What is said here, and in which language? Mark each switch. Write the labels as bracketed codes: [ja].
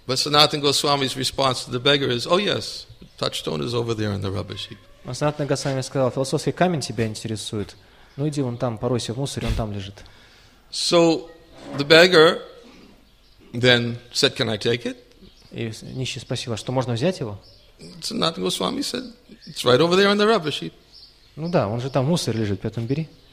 [en] But Sanatana Goswami's response to the beggar is, oh yes, touchstone is over there in the rubbish heap. [ru] Sanatana Goswami сказал, философский камень тебя интересует, ну иди вон там, поройся в мусоре, он там лежит. [en] So the beggar then said, can I take it? [ru] И нищий спросил, а что, можно взять его? [en] Sanatana Goswami said, it's right over there in the rubbish heap. [ru] Ну да, он же там в мусоре лежит, поэтому бери.